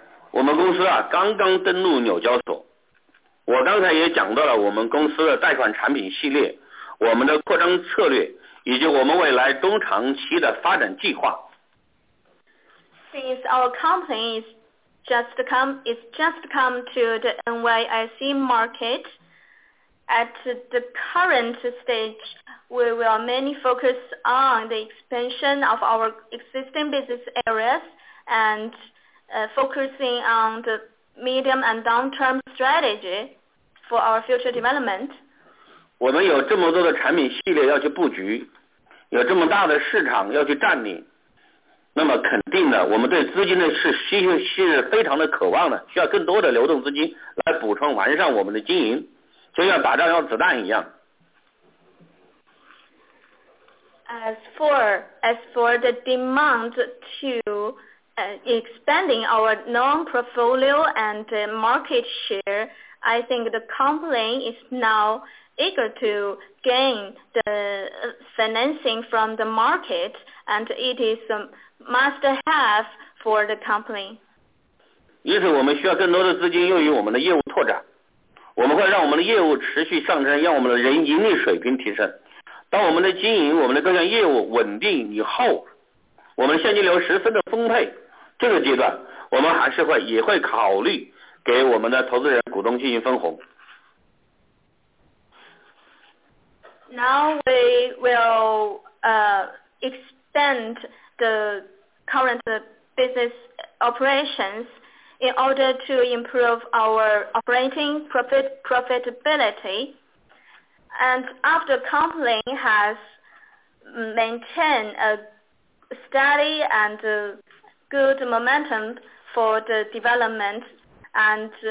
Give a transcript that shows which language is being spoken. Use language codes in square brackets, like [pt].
[zh] 我们公司啊刚刚登陆纽交所，我刚才也讲到了我们公司的贷款产品系列，我们的扩张策略，以及我们未来中长期的发展计划。 [en] Since our company is just come to the NYSE market, at the current stage, we will mainly focus on the expansion of our existing business areas and focusing on the medium and long-term strategy for our future development. [zh] 我们有这么多的产品系列要去布局，有这么大的市场要去占领，那么肯定的，我们对资金的是非常的渴望的，需要更多的流动资金来补充完善我们的经营，就像打仗要子弹一样。 [en] As for the demand to expanding our loan portfolio and market share, I think the company is now eager to gain the financing from the market, and it is a must-have for the company. [zh] 因此我们需要更多的资金用于我们的业务拓展，我们会让我们的业务持续上升，让我们的人盈利水平提升。当我们的经营，我们的各项业务稳定以后，我们现金流十分的丰沛，这个阶段我们还是会也会考虑给我们的投资人股东进行分红。 [en] Now we will expand the current business operations in order to improve our operating profitability, and after company has maintained a steady and good momentum for the development and